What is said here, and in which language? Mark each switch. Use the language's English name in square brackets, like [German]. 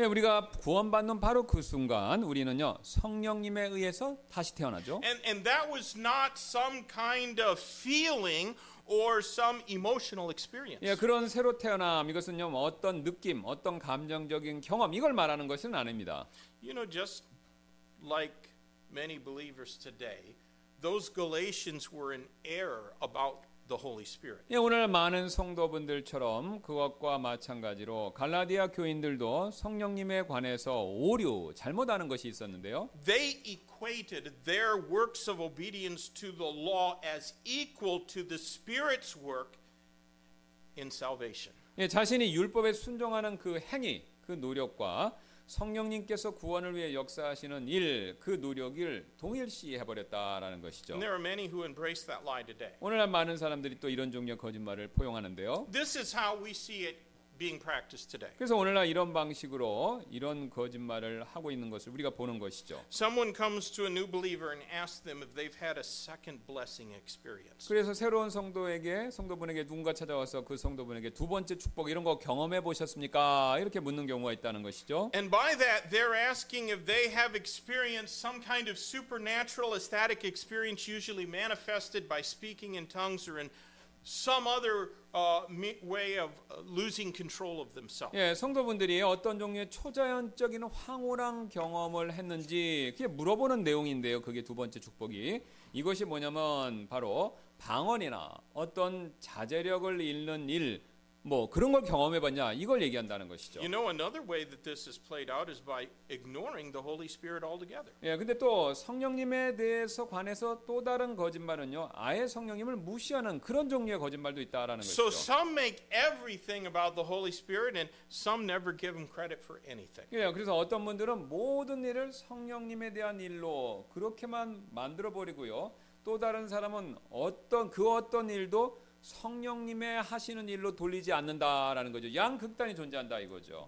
[Korean] 예, 우리가 구원받는 바로 그 순간 우리는요 성령님에 의해서 다시 태어나죠. [English] And that was not some kind of feeling or some emotional experience. [Korean] 예, 그런 새로 태어남 이것은요 어떤 느낌, 어떤 감정적인 경험 이걸 말하는 것은 아닙니다. [English] You know, just like many believers today, those Galatians were in error about the Holy Spirit. [Korean] 예, 오늘 많은 성도분들처럼 그것과 마찬가지로 갈라디아 교인들도 성령님에 관해서 오류, 잘못하는 것이 있었는데요. [English] They equated their works of obedience to the law as equal to the Spirit's work in salvation. [Korean] 예, 자신이 율법에 순종하는 그 행위, 그 노력과 성령님께서 구원을 위해 역사하시는 일, 그 노력을 동일시해 버렸다라는 것이죠. [English] There are many who embrace that lie today. [Korean] 오늘날 많은 사람들이 또 이런 종류의 거짓말을 포용하는데요. [English] This is how we see it being practiced today. [Korean] 그래서 오늘날 이런 방식으로 이런 거짓말을 하고 있는 것을 우리가 보는 것이죠. [English] Someone comes to a new believer and asks them if they've had a second blessing experience. [Korean] 그래서 새로운 성도에게 성도분에게 누군가 찾아와서 그 성도분에게 두 번째 축복 이런 거 경험해 보셨습니까? 이렇게 묻는 경우가 있다는 것이죠. [English] And by that they're asking if they have experienced some kind of supernatural ecstatic experience usually manifested by speaking in tongues or in some other way of losing control of themselves. [Korean] 예, 성도분들이 어떤 종류의 초자연적인 황홀한 경험을 했는지 그게 물어보는 내용인데요. 그게 두 번째 축복이 이것이 뭐냐면 바로 방언이나 어떤 자제력을 잃는 일 뭐 그런 걸 경험해 봤냐 이걸 얘기한다는 것이죠. [English] You know, another way that this is played out is by ignoring the Holy Spirit altogether. [Korean] 예, 근데 또 성령님에 대해서 관해서 또 다른 거짓말은요. 아예 성령님을 무시하는 그런 종류의 거짓말도 있다라는 [English] so [Korean] 것이죠. [English] So some make everything about the Holy Spirit and some never give him credit for anything. [Korean] 예, 그래서 어떤 분들은 모든 일을 성령님에 대한 일로 그렇게만 만들어 버리고요. 또 다른 사람은 어떤 그 어떤 일도 성령님의 하시는 일로 돌리지 않는다라는 거죠. 양극단이 존재한다 이거죠.